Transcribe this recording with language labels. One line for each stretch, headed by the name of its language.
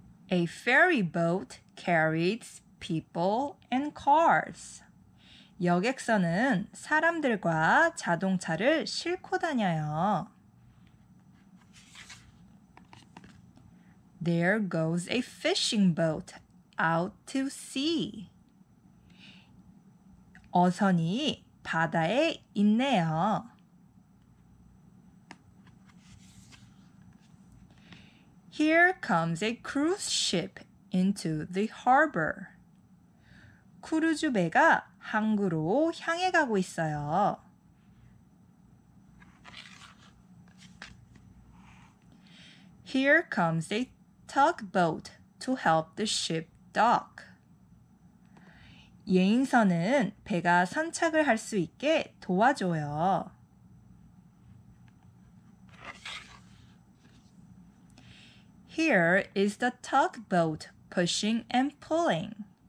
English: A ferryboat carries people and cars.
Korean: 여객선은 사람들과 자동차를 싣고 다녀요.
English: There goes a fishing boat out to sea.
Korean: 어선이 바다에 있네요.
English: Here comes a cruise ship into the harbor.
Korean: 크루즈 배가 항구로 향해 가고 있어요.
English: Here comes a tugboat to help the ship dock.
Korean: 예인선은 배가 선착을 할 수 있게 도와줘요.
English: Here is the tugboat pushing and pulling.